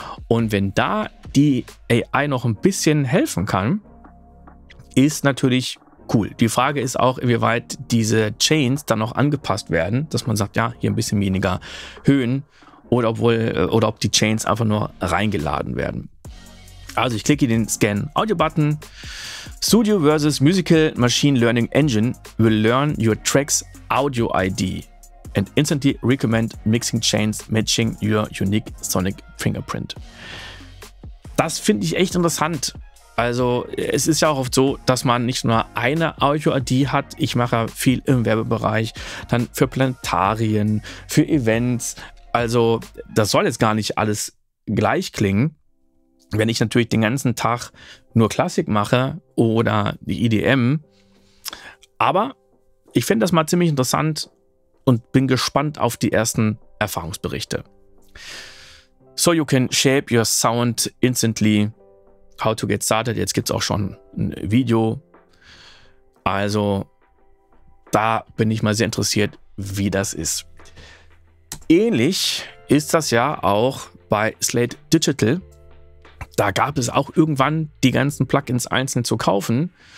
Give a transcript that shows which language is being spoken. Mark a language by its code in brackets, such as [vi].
[de] Und wenn da die AI noch ein bisschen helfen kann, ist natürlich cool. Die Frage ist auch, inwieweit diese Chains dann noch angepasst werden, dass man sagt, ja, hier ein bisschen weniger Höhen oder ob die Chains einfach nur reingeladen werden. Also ich klicke den Scan-Audio-Button. [en] Studio versus Musical Machine Learning Engine will learn your track's audio ID and instantly recommend mixing chains matching your unique sonic fingerprint. [de] Das finde ich echt interessant. Also es ist ja auch oft so, dass man nicht nur eine Audio-ID hat. Ich mache ja viel im Werbebereich, dann für Planetarien, für Events. Also das soll jetzt gar nicht alles gleich klingen. Wenn ich natürlich den ganzen Tag nur Klassik mache oder die EDM. Aber ich finde das mal ziemlich interessant und bin gespannt auf die ersten Erfahrungsberichte. [en] So you can shape your sound instantly. How to get started. [de] Jetzt gibt es auch schon ein Video. Also da bin ich mal sehr interessiert, wie das ist. Ähnlich ist das ja auch bei Slate Digital. Da gab es auch irgendwann die ganzen Plugins einzeln zu kaufen.